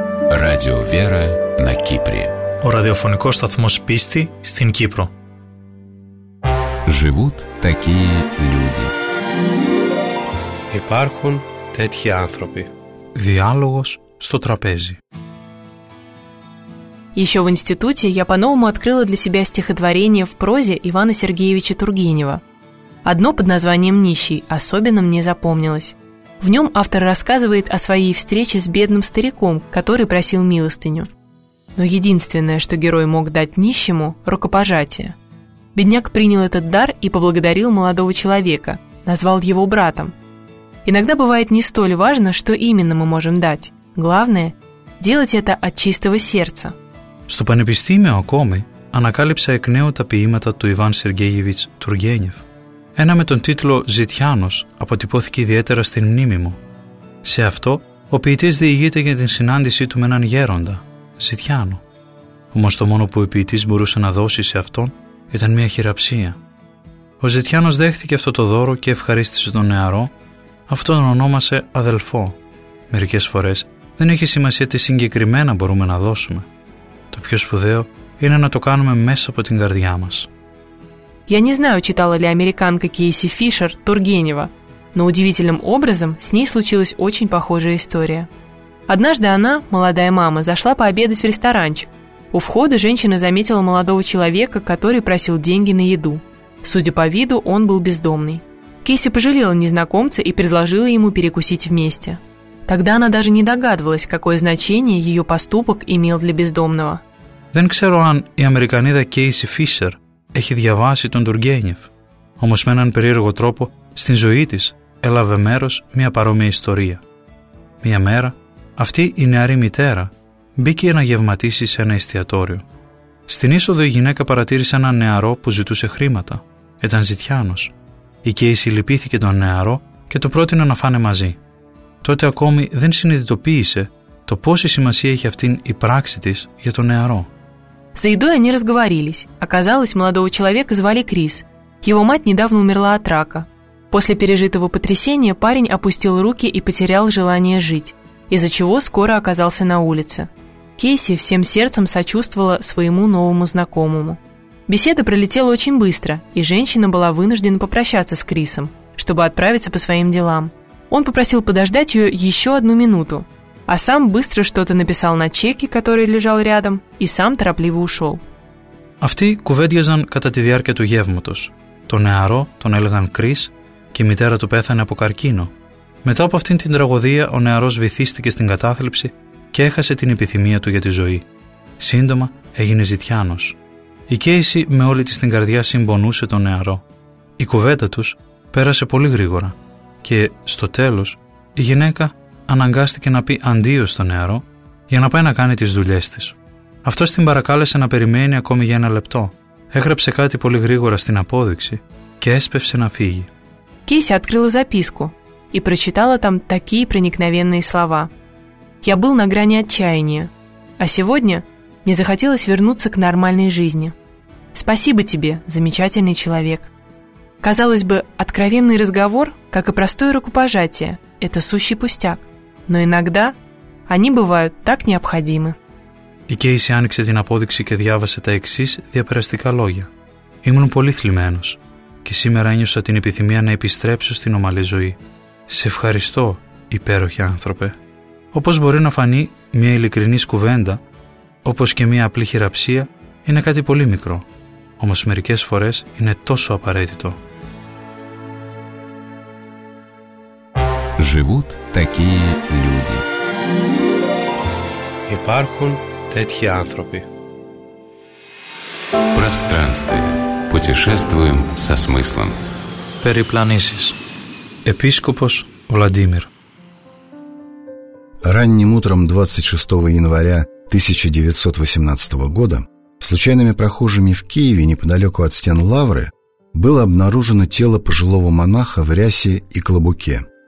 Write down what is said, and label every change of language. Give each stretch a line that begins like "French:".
Russian: Радио Вера на Кипре.
Greek: Ο ραδιοφωνικός σταθμός πίστη στην Κύπρο.
Russian: Живут такие люди.
Greek: Υπάρχουν τέτοιοι άνθρωποι. Διάλογος στο τραπέζι.
Russian: Еще в институте я по-новому открыла для себя стихотворение в прозе Ивана Сергеевича Тургенева. Одно под названием «Нищий» особенно мне запомнилось. В нем автор рассказывает о своей встрече с бедным стариком, который просил милостыню. Но единственное, что герой мог дать нищему – рукопожатие. Бедняк принял этот дар и поблагодарил молодого человека, назвал его братом. Иногда бывает не столь важно, что именно мы можем дать. Главное – делать это от чистого сердца.
Greek: Στο Πανεπιστήμιο ακόμη, ανακάλυψα εκ νέου τα ποίηματα του Ιβάν Σεργέγεβιτς Τουργένιεφ. Ένα με τον τίτλο «Ζητιάνος» αποτυπώθηκε ιδιαίτερα στην μνήμη μου. Σε αυτό, ο ποιητής διηγείται για την συνάντησή του με έναν γέροντα, Ζητιάνο. Όμως το μόνο που ο ποιητής μπορούσε να δώσει σε αυτόν ήταν μια χειραψία. Ο Ζητιάνος δέχτηκε αυτό το δώρο και ευχαρίστησε τον νεαρό. Αυτόν τον ονόμασε αδελφό. Μερικές φορές δεν έχει σημασία τι συγκεκριμένα μπορούμε να δώσουμε. Το πιο σπουδαίο είναι να το κάνουμε μέσα από την καρδιά μας.
Russian: Я не знаю, читала ли американка Кейси Фишер Тургенева, но удивительным образом с ней случилась очень похожая история. Однажды она, молодая мама, зашла пообедать в ресторанчик. У входа женщина заметила молодого человека, который просил деньги на еду. Судя по виду, он был бездомный. Кейси пожалела незнакомца и предложила ему перекусить вместе. Тогда она даже не догадывалась, какое значение ее поступок имел для бездомного.
Greek: Δεν ξέρω αν η Αμερικανίδα Κέισι Φίσερ έχει διαβάσει τον Τουργένιεφ. Όμως με έναν περίεργο τρόπο, στην ζωή της έλαβε μέρος μια παρόμοια ιστορία. Μια μέρα, αυτή η νεαρή μητέρα μπήκε να γευματίσει σε ένα εστιατόριο. Στην είσοδο η γυναίκα παρατήρησε έναν νεαρό που ζητούσε χρήματα. Ήταν ζητιάνος. Η Κέισι λυπήθηκε τον νεαρό και του πρότεινε να φάνε μαζί. Τότε ακόμη δεν συνειδητοποίησε το πόση σημασία έχει αυτήν η πράξη της για τον νεαρό.
Russian: За едой они разговорились. Оказалось, молодого человека звали Крис. Его мать недавно умерла от рака. После пережитого потрясения парень опустил руки и потерял желание жить, из-за чего скоро оказался на улице. Кейси всем сердцем сочувствовала своему новому знакомому. Беседа пролетела очень быстро, и женщина была вынуждена попрощаться с Крисом, чтобы отправиться по своим делам. Он попросил подождать ее еще одну минуту, а сам быстро что-то написал на чеке, который лежал рядом, и сам торопливо ушел.
Greek: Αυτοί κουβέντιαζαν κατά τη διάρκεια του γεύματος. Το νεαρό τον έλεγαν Κρίς και η μητέρα του πέθανε από καρκίνο. Μετά από αυτήν την τραγωδία, ο νεαρός βυθίστηκε στην κατάθλιψη και έχασε την επιθυμία του για τη ζωή. Σύντομα έγινε ζητιάνος. Η Κέισι με όλη της την καρδιά συμπονούσε τον νεαρό. Η κουβέντα τους πέρασε πολύ γρήγορα. Και στο τέλος, η γυναίκα αναγκάστηκε να πει αντίο στο νεαρό για να πάει να κάνει τις δουλειές της. Αυτός την παρακάλεσε να περιμένει ακόμη για ένα λεπτό. Έγραψε κάτι πολύ γρήγορα στην απόδειξη και έσπευσε να φύγει.
Russian: Кейси открыла записку и прочитала там такие проникновенные слова. «Я был на грани отчаяния, а сегодня мне захотелось вернуться к нормальной жизни. Спасибо тебе, замечательный человек». Казалось бы, откровенный разговор, как и простое рукопожатие, это сущий пустяк. Но иногда они бывают так необходимы.
Greek: И Кейси άνοιξε την απόδειξη και διάβασε τα εξής διαπεραστικά λόγια. «Ήμουν πολύ θλιμμένος. Και σήμερα ένιωσα την επιθυμία να επιστρέψω στην ομαλή ζωή. Σε ευχαριστώ, υπέροχε άνθρωπε». Όπως μπορεί να φανεί, μια ειλικρινής κουβέντα, όπως και μια απλή χειραψία, είναι κάτι πολύ μικρό. Όμως μερικές φορές είναι τόσο απαραίτητο.
Russian: Живут такие люди.
Greek: Υπάρχουν τέτοιοι άνθρωποι.
Russian: Пространствие. Путешествуем со смыслом. Перепланисис. Епископос Владимир. Ранним утром 26 января 1918 года случайными прохожими в Киеве неподалеку от стен Лавры было обнаружено тело пожилого монаха в рясе и клобуке.